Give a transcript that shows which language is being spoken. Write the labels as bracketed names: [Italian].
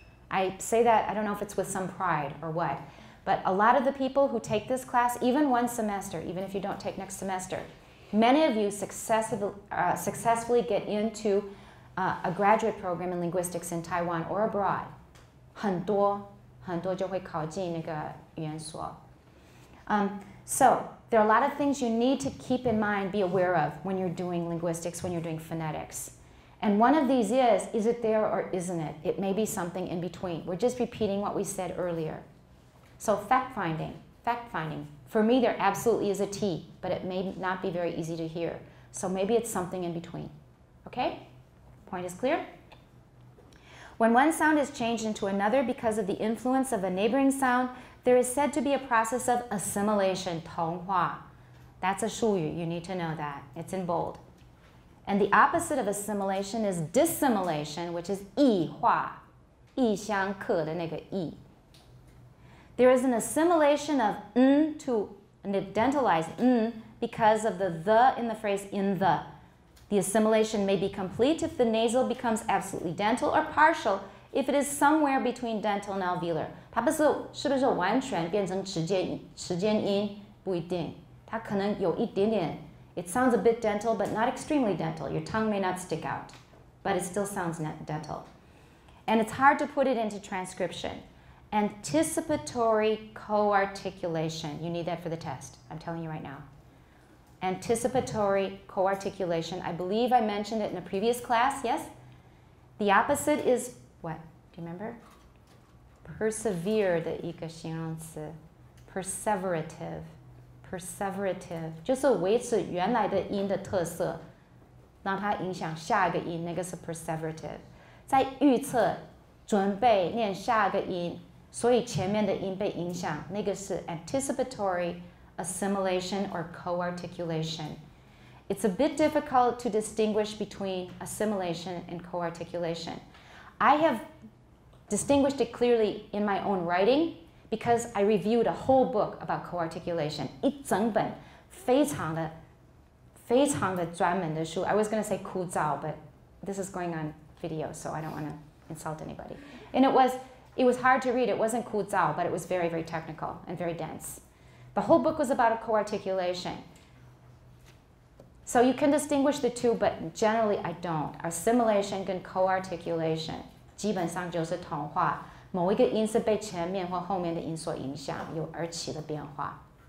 [English] I say that, I don't know if it's with some pride or what, but a lot of the people who take this class, even one semester, even if you don't take next semester, many of you successfully get into a graduate program in linguistics in Taiwan or abroad. [Chinese] 很多就会考进那个语言所. [English] So there are a lot of things you need to keep in mind, be aware of when you're doing linguistics, when you're doing phonetics. And one of these is it there or isn't it? It may be something in between. We're just repeating what we said earlier. So fact-finding. For me, there absolutely is a T, but it may not be very easy to hear. So maybe it's something in between. Okay? Point is clear? When one sound is changed into another because of the influence of a neighboring sound, there is said to be a process of assimilation, [Chinese] 同化. [English] That's a 术语, you need to know that. It's in bold. And the opposite of assimilation is dissimilation, which is [Chinese] 异化, 异乡客的那个异. [English] There is an assimilation of n to an dentalized n because of the in the phrase in the. The assimilation may be complete if the nasal becomes absolutely dental, or partial if it is somewhere between dental and alveolar. [Chinese] 它不是是不是完全变成齿间音不一定，它可能有一点点。 [English] It sounds a bit dental, but not extremely dental. Your tongue may not stick out, but it still sounds dental. And it's hard to put it into transcription. Anticipatory coarticulation. You need that for the test. I'm telling you right now. Anticipatory coarticulation. I believe I mentioned it in a previous class, yes? The opposite is what? Do you remember? Persevere, the [Chinese] 一个形容词. [English] Perseverative. Perseverative, [Chinese] 就是维持原来的音的特色，让它影响下一个音，那个是 perseverative。在预测、准备念下一个音，所以前面的音被影响，那个是 [English] anticipatory assimilation or coarticulation. It's a bit difficult to distinguish between assimilation and coarticulation. I have distinguished it clearly in my own writing,because I reviewed a whole book about coarticulation. [Chinese] 一整本非常的专门的书。 [English] I was going to say [Chinese] 枯燥, [English] but this is going on video, so I don't want to insult anybody. And it was hard to read. It wasn't [Chinese] 枯燥, [English] but it was very, very technical and very dense. The whole book was about coarticulation. So you can distinguish the two, but generally I don't. [Chinese] Assimilation 跟 coarticulation 基本上就是同化。某一个音是被前面或后面的音所影响，有而起的变化。